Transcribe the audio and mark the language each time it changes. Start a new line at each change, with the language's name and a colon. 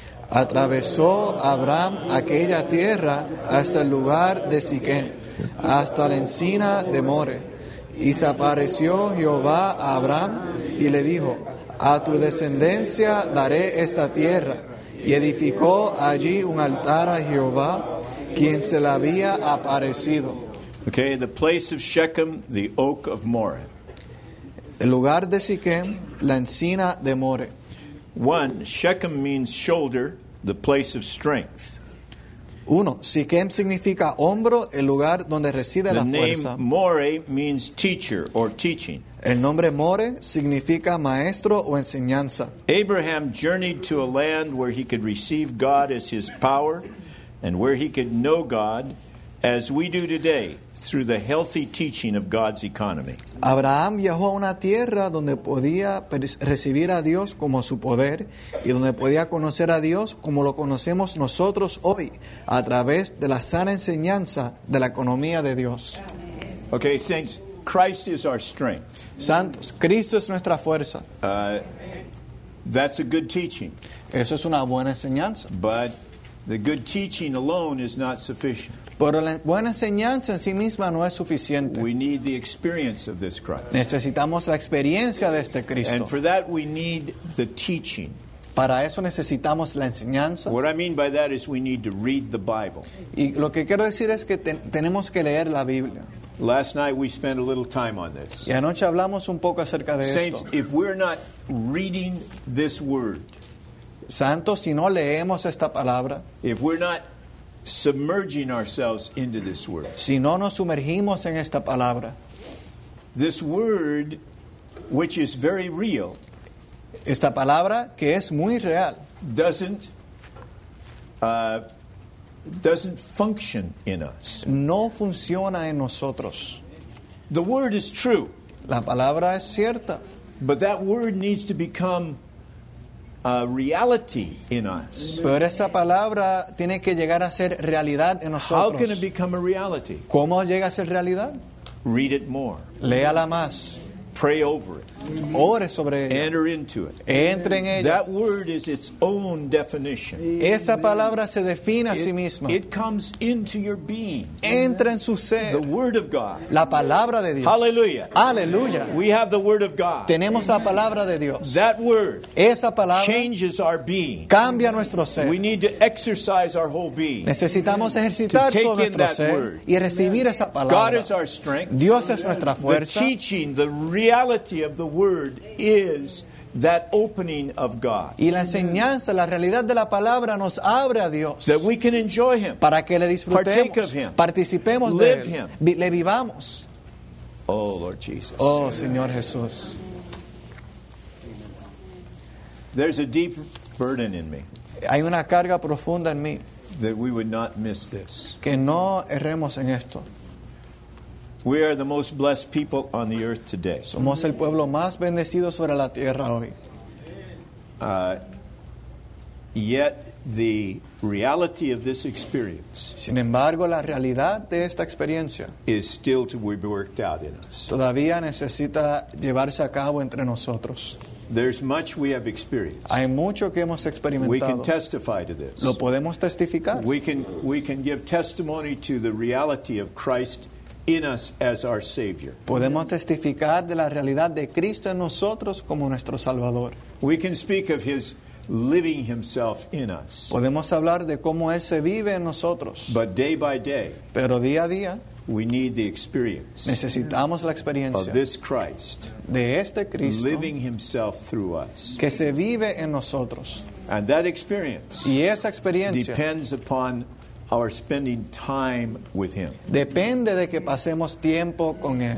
Spanish: Atravesó Abraham aquella tierra hasta el lugar de Siquem, hasta la encina de More. Y se apareció Jehová a Abraham y le dijo: a tu descendencia daré esta tierra. Y edificó allí un altar a Jehová, quien se le había aparecido.
English: Okay, the place of Shechem, the oak of More.
Spanish: El lugar de Siquem, la encina de More.
English: One, Shechem means shoulder, the place of strength.
Spanish: Uno, Siquem significa hombro, el lugar donde reside la fuerza.
English: The name More means teacher or teaching.
Spanish: El nombre More significa maestro o enseñanza.
English: Abraham journeyed to a land where he could receive God as his power and where he could know God as we do today through the healthy teaching of God's economy.
Spanish: Abraham viajó a una tierra donde podía recibir a Dios como su poder y donde podía conocer a Dios como lo conocemos nosotros hoy a través de la sana enseñanza de la economía de Dios.
English: Okay, saints, Christ is our strength.
Spanish: Santos, Cristo es nuestra fuerza.
English: That's a good teaching.
Spanish: Eso es una buena enseñanza.
English: But the good teaching alone is not sufficient.
Spanish: Pero la buena enseñanza en sí misma no es suficiente.
English: We need the experience of this Christ.
Spanish: Necesitamos la experiencia de este Cristo.
English: And for that we need the teaching.
Spanish: Para eso necesitamos la enseñanza.
English: What I mean by that is we need to read the Bible.
Spanish: Y lo que quiero decir es que tenemos que leer la Biblia.
English: Last night we spent a little time on this.
Spanish: Y anoche hablamos un poco acerca de esto.
English: Saints, if we're not reading this word,
Spanish: Santos, si no leemos esta palabra,
English: if we're not submerging ourselves into this word,
Spanish: si no nos sumergimos en esta palabra,
English: this word, which is very real,
Spanish: esta palabra que es muy real,
English: doesn't function in us.
Spanish: No funciona en nosotros.
English: The word is true.
Spanish: La palabra es cierta.
English: But that word needs to become a reality in us.
Spanish: Pero esa palabra tiene que llegar a ser realidad en nosotros.
English: How can it become a reality?
Spanish: ¿Cómo llega a ser realidad?
English: Read it more.
Spanish: Léala más.
English: Pray over it.
Spanish: Ore sobre ella.
English: Enter into it.
Spanish: Entre en ella.
English: That word is its own definition.
Spanish: Esa palabra se define a sí misma.
English: It comes into your being.
Spanish: Entra en su ser.
English: The word of God.
Spanish: La palabra de Dios.
English: Hallelujah.
Spanish: Aleluya.
English: We have the word of God.
Spanish: Tenemos la palabra de Dios.
English: That word.
Spanish: Esa palabra.
English: Changes our being.
Spanish: Cambia nuestro ser.
English: We need to exercise our whole being.
Spanish: Necesitamos ejercitar todo nuestro ser y recibir esa palabra.
English: God is our strength.
Spanish: Dios es nuestra fuerza.
English: The teaching, the reality of the word is that opening of God.
Spanish: Y la enseñanza, la realidad de la palabra nos abre a Dios.
English: That we can enjoy him.
Spanish: Para que le disfrutemos.
English: Partake of him.
Spanish: Participemos
English: live
Spanish: de él.
English: Live him.
Spanish: Le vivamos.
English: Oh, Lord Jesus.
Spanish: Oh, Señor Jesús.
English: There's a deep burden in me.
Spanish: Hay una carga profunda en mí.
English: That we would not miss this.
Spanish: Que no erremos en esto.
English: We are the most blessed people on the earth today.
Spanish: Somos el pueblo más bendecido sobre la tierra hoy.
English: Yet the reality of this experience.
Spanish: Sin embargo, la realidad de esta experiencia
English: is still to be worked out in us.
Spanish: Todavía necesita llevarse a cabo entre nosotros.
English: There's much we have experienced.
Spanish: Hay mucho que hemos experimentado.
English: We can testify to this.
Spanish: Lo podemos testificar.
English: We can give testimony to the reality of Christ in us as our Savior.
Spanish: Podemos testificar de la realidad de Cristo en nosotros como nuestro Salvador.
English: We can speak of his living himself in us.
Spanish: Podemos hablar de cómo él se vive en nosotros.
English: But day by day,
Spanish: pero día a día,
English: we need the experience.
Spanish: Necesitamos la experiencia
English: of this Christ,
Spanish: de este Cristo,
English: living himself through us,
Spanish: que se vive en nosotros.
English: And that experience,
Spanish: y esa experiencia,
English: depends upon our spending time with him.
Spanish: Depende de que pasemos tiempo con él.